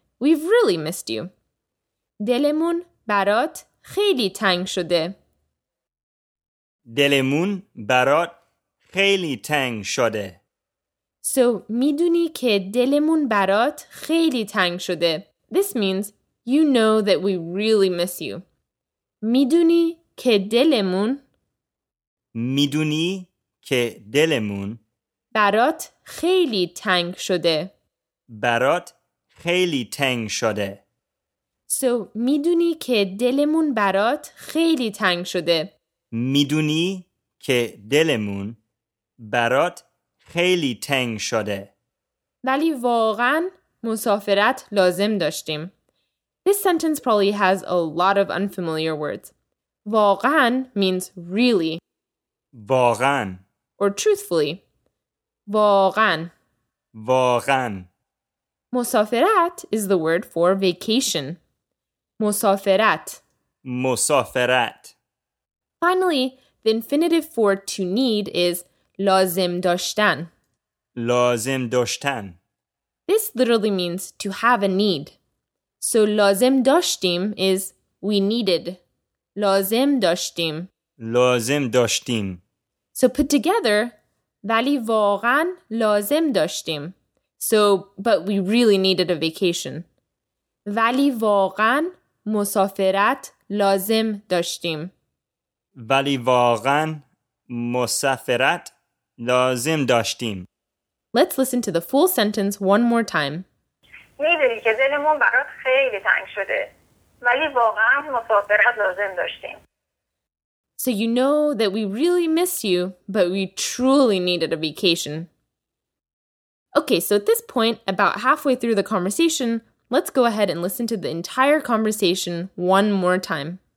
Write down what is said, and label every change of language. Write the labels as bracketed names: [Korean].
[English] We've really missed you. [Persian] دلمون برات خیلی تنگ شده. دلمون برات خیلی تنگ شده. So, میدونی که دلمون برات خیلی تنگ شده. [English] This means, you know that we really miss you. [Persian] میدونی که دلمون میدونی که دلمون برات خیلی تنگ شده. برات خیلی تنگ شده. So, میدونی که دلمون برات خیلی تنگ شده. میدونی که دلمون برات خیلی تنگ شده. ولی واقعا مسافرت لازم داشتیم. [English] This sentence probably has a lot of unfamiliar words. واقعا means really. [Persian] واقعا. [English] Or truthfully. واقعا. [Persian] واقعا. [English] مسافرت is the word for vacation. مسافرت. [Persian] مسافرت. [English] Finally, the infinitive for to need is لازم داشتن. [Persian] لازم داشتن. [English] This literally means to have a need. So [Persian] لازم داشتیم [English] is we needed. [Persian] لازم داشتیم. لازم داشتیم. [English] So put together, [Persian] ولی واقعا لازم داشتیم. [English] So, but we really needed a vacation. [Persian] ولی واقعا مسافرت لازم داشتیم. ولی واقعا مسافرت لازم داشتیم. [English] Let's listen to the full sentence one more time. [Persian] می‌دونی که دلمون برات خیلی تنگ شده. ولی واقعا مسافرت لازم داشتیم. [English] So you know that we really miss you, but we truly needed a vacation. Okay, so at this point, about halfway through the conversation, let's go ahead and listen to the entire conversation one more time.